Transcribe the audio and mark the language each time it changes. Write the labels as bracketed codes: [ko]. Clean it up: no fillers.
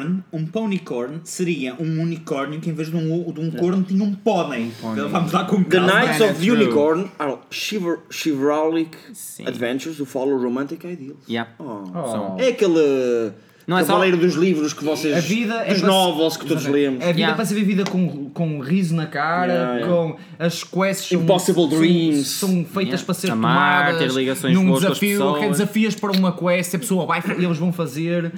[pt] Um ponycorn, seria um unicórnio que em vez de um corno tinha um pônei. Vamos lá com [en] The Knights of the Unicorn are chivalric adventures who follow romantic ideals. Yeah. [pt] É aquele. Não é só ler dos livros que vocês. A vida dos novels que todos lemos. A vida para ser vivida com um riso na cara, com as quests. [en] Impossible Dreams. [pt] São feitas para ser tomadas. Ter ligações num desafio. Que é desafios para uma quest. A pessoa vai e eles vão fazer.